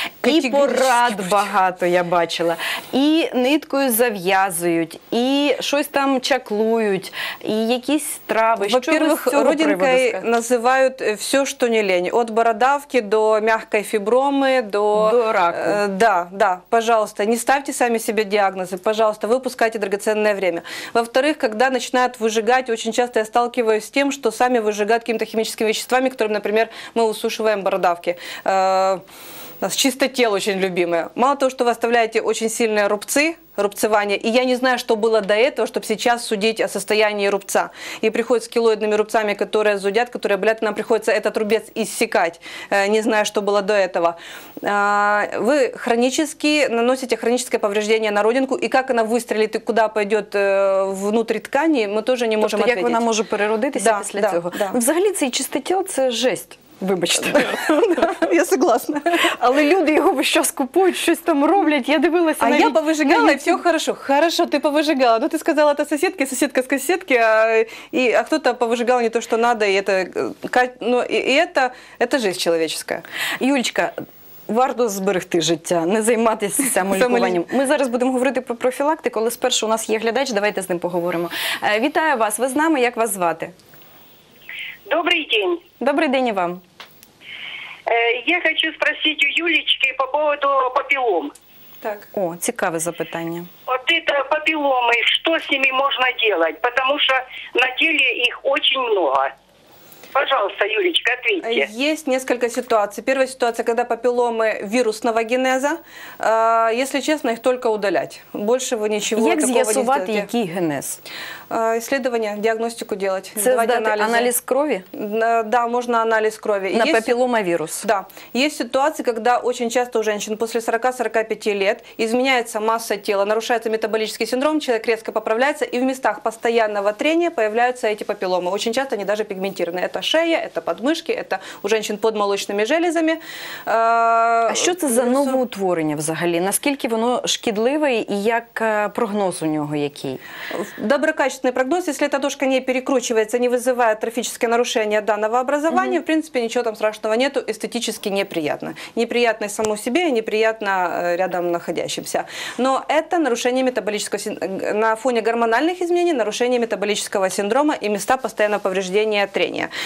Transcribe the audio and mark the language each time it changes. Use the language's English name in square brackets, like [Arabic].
[Ukrainian] І порад багато я бачила, і ниткою зав'язують, і щось там чаклують, і якісь трави. [Russian] Во-первых, [Ukrainian] родинкою називають все, що не лень, від бородавки до м'якої фіброми. [Russian] До рака. Пожалуйста, не ставьте сами себе диагнозы, пожалуйста, выпускайте драгоценное время. Во-вторых, когда начинают выжигать, очень часто я сталкиваюсь с тем, что сами выжигают какими-то химическими веществами, которыми, например, мы усушиваем бородавки. У нас чистотел очень любимое. Мало того, что вы оставляете очень сильные рубцы, рубцевание, и я не знаю, что было до этого, чтобы сейчас судить о состоянии рубца. И приходят с килоидными рубцами, которые зудят, которые болят, нам приходится этот рубец иссекать, не зная, что было до этого. Вы хронически наносите хроническое повреждение на родинку, и как она выстрелит, и куда пойдет внутрь ткани, мы тоже не можем ответить. Как она может переродиться после этого? Да. [Ukrainian] Взагалі, цей чистотел – це жесть. Вибачте. [Russian] Я согласна. [Ukrainian] Але люди його щось купують, щось там роблять. Я дивилася навіть. А я повижигала, і все хорошо. Хорошо, ти повижигала. Ну, ти сказала, це сусідки, сусідка з сусідки, а хтось повижигала не те, що треба. І це життя чоловічська. Юлечка, варто зберегти життя, не займатися самолікуванням. Ми зараз будемо говорити про профілактику, але спершу у нас є глядач, давайте з ним поговоримо. Вітаю вас, ви з нами, як вас звати? [Russian] Добрый день. Добрый день и вам. Я хочу спросить у Юлечки по поводу папиллом. [Ukrainian] Так. О, цікаве запитання. [Russian] Вот это папилломы, что с ними можно делать? Потому что на теле их очень много. Пожалуйста, Юлечка, ответьте. Есть несколько ситуаций. Первая ситуация, когда папилломы вирусного генеза. Если честно, их только удалять. Больше вы ничего такого не сделаете. [Ukrainian] Как з'ясувати, який генез? [Russian] Исследование, диагностику делать. [Ukrainian] Це здати анализы. [Russian] Анализ крови? Да, можно анализ крови. На папилломовирус? Да. Есть ситуации, когда очень часто у женщин после 40-45 лет изменяется масса тела, нарушается метаболический синдром, человек резко поправляется, и в местах постоянного трения появляются эти папилломы. Очень часто они даже пигментированы. Это это шея, это подмышки, это у женщин под молочными железами. [Ukrainian] А що це за новоутворення взагалі? Наскільки воно шкідливе і як прогноз у нього який? [Russian] Доброкачественный прогноз, если эта дошка не перекручивается, не вызывает трофическое нарушение данного образования, в принципе, ничего там страшного нету, эстетически неприятно. Неприятно само себе и неприятно рядом находящимся. Но это нарушение метаболического синдрома, на фоне гормональных изменений, нарушение метаболического синдрома и места постоянного повреждения трения.